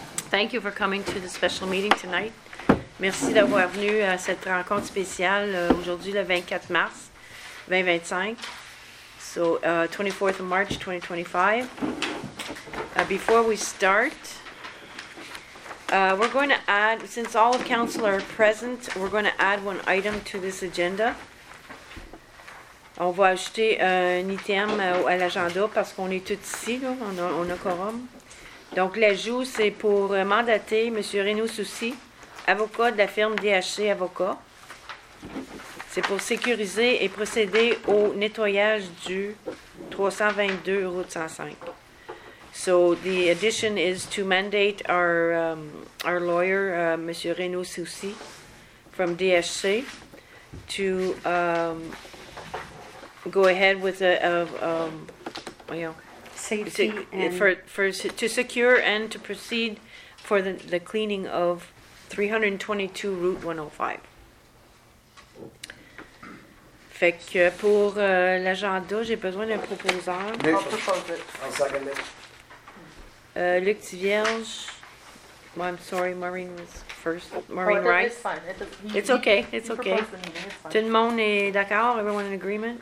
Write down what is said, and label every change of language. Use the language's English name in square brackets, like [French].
[English] Thank you for coming to the special meeting tonight. [French] Merci d'avoir venu à cette rencontre spéciale aujourd'hui, le 24 mars 2025. [English] So, 24th of March 2025. Before we start, we're going to add, since all of council are present, we're going to add one item to this agenda. [French] On va ajouter un item à l'agenda parce qu'on est tous ici, là, on a quorum. Donc, l'ajout, c'est pour mandater M. Renaud Soucy, avocat de la firme DHC Avocat. C'est pour sécuriser et procéder au nettoyage du 322 route 105. [English] So, the addition is to mandate our lawyer, M. Renaud Soucy, from DHC, to go ahead with to secure and to proceed for the cleaning of 322 route 105. [French] Fait que pour l'agenda, j'ai besoin d'un proposeur. [English] I'll second it. Luc Tivierge. Well, I'm sorry, Maureen was first. Maureen Rice. It's okay. [French] Tout le monde est d'accord? [English] Everyone in agreement?